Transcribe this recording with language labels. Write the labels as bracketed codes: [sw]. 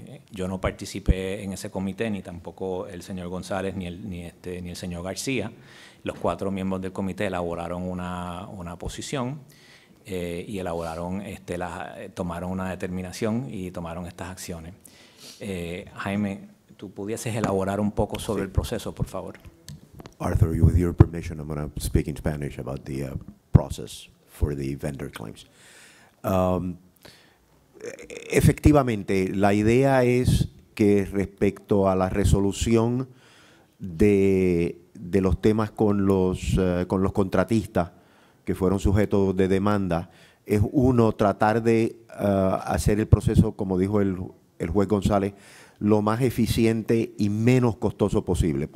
[es] Yo no participé en ese comité, ni tampoco el señor González ni el señor García. Los 4 miembros del comité elaboraron una posición y elaboraron tomaron una determinación y tomaron estas acciones. Jaime, tú pudieses elaborar un poco sobre el proceso, por favor. [en] Arthur, with your permission, I'm going to speak in Spanish about the process for the vendor claims. [es] Efectivamente, la idea es que respecto a la resolución de los temas con los contratistas que fueron sujetos de demanda, es uno tratar de hacer el proceso, como dijo el juez González, lo más eficiente y menos costoso posible.